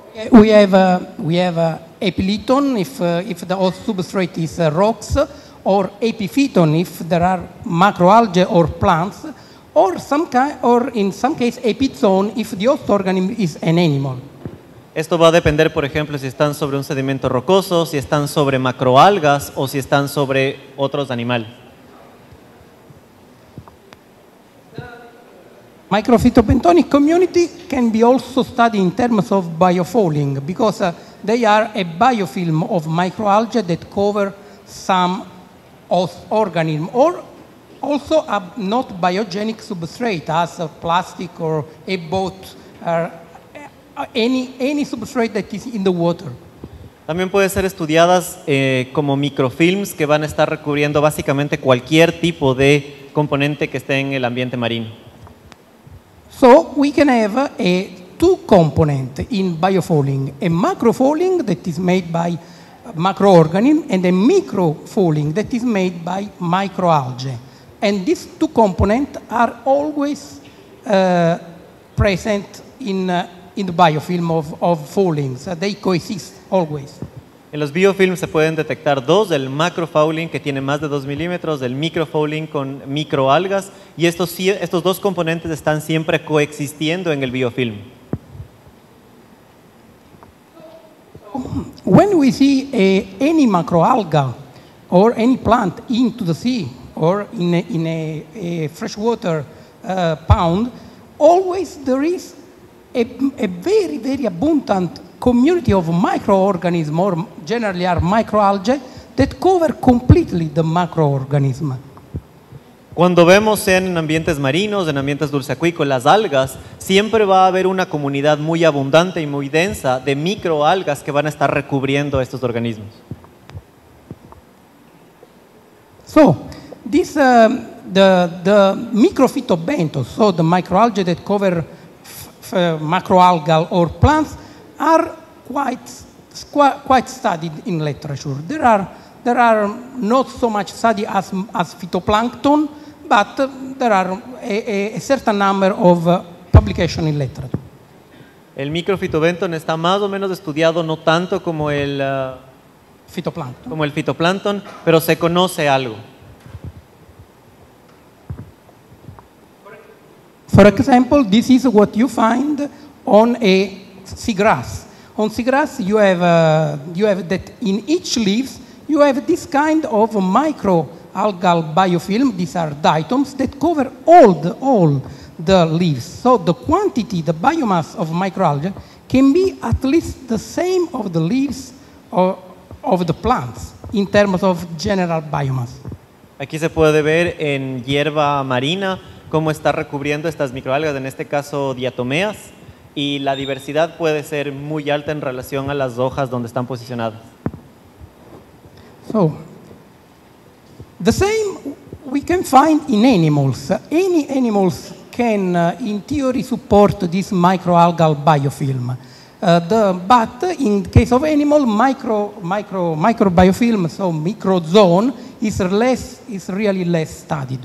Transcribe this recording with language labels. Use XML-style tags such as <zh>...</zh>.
<en>We have epiliton if the host substrate is rocks, or epiphyton if there are macroalgae or plants, or some kind, or in some case epizoon if the host organism is an animal.</en> <es>Esto va a depender, por ejemplo, si están sobre un sedimento rocoso, si están sobre macroalgas o si están sobre otros animales.</es> <en>Microphytobenthonic community can be also studied in terms of biofouling because they are a biofilm of microalgae that cover some host organism or also a not biogenic substrate as a plastic or a boat or any substrate that is in the water.</en> <es>También puede ser estudiadas como microfilms que van a estar recubriendo básicamente cualquier tipo de componente que esté en el ambiente marino.</es> <en>So we can have a two components in biofouling: a macrofouling that is made by macroorganism and a microfouling that is made by microalgae. And these two components are always present in the biofilm of fouling. So they coexist always.</en> <es>En los biofilms se pueden detectar dos, el macrofouling que tiene más de 2 milímetros, el microfouling con microalgas, y estos dos componentes están siempre coexistiendo en el biofilm.</es> <en>When we see any macroalga or any plant into the sea or in a freshwater pond, always there is a very, very abundant community of microorganisms, or generally are microalgae, that cover completely the macroorganism.</en> <es>Cuando vemos sean en ambientes marinos, en ambientes dulceacuícolas, algas, siempre va a haber una comunidad muy abundante y muy densa de microalgas que van a estar recubriendo estos organismos.</es> <en>So, this the microphytobentos, so the microalgae that cover macroalgal or plants, are quite studied in literature. There are not so much study as phytoplankton, but there are a certain number of publication in literature.</en> <es>El microfitobenton está más o menos estudiado, no tanto como el phytoplankton. Como el phytoplankton, pero se conoce algo.</es> <en>For example, this is what you find on a seagrass. On seagrass, you have that in each leaves you have this kind of micro algal biofilm. These are diatoms that cover all the leaves. So the quantity, the biomass of microalgae can be at least the same of the leaves or of the plants in terms of general biomass.</en> <es>Aquí se puede ver en hierba marina cómo está recubriendo estas microalgas, en este caso diatomeas. Y la diversidad puede ser muy alta en relación a las hojas donde están posicionadas.</es> <en>So, the same we can find in animals. Any animals can, in theory, support this microalgal biofilm. But in case of animal, microbiofilm, so microzone, is really less studied.</en>